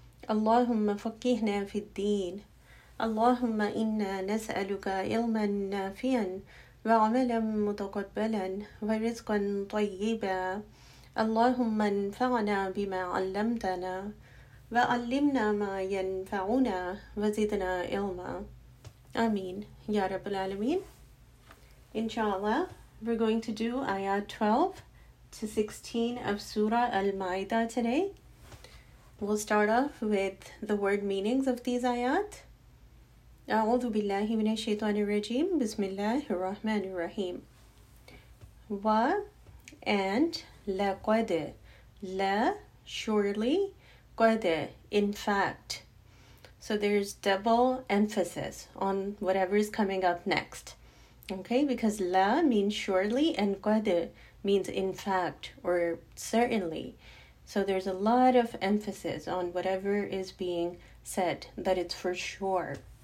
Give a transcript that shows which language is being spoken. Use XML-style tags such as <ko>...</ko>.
<ar>اللهم فقهنا في الدين اللهم إنا نسألك علما نافعا وعملا متقبلا ورزقا طيبا اللهم انفعنا بما علمتنا وعلمنا ما ينفعنا وزدنا علما آمين يا رب العالمين. إن شاء الله</ar> <en>we're going to do ayah 12-16 of Surah Al-Ma'idah today. We'll start off with the word meanings of these ayat.</en> <ar>أعوذ بالله من الشيطان الرجيم بسم الله الرحمن الرحيم و and لقد لا surely قد</ar> <en>in fact. So there's double emphasis on whatever is coming up next. Okay, because لا means surely and قد means in fact or certainly. So there's a lot of emphasis on whatever is being said, that it's for sure.</en>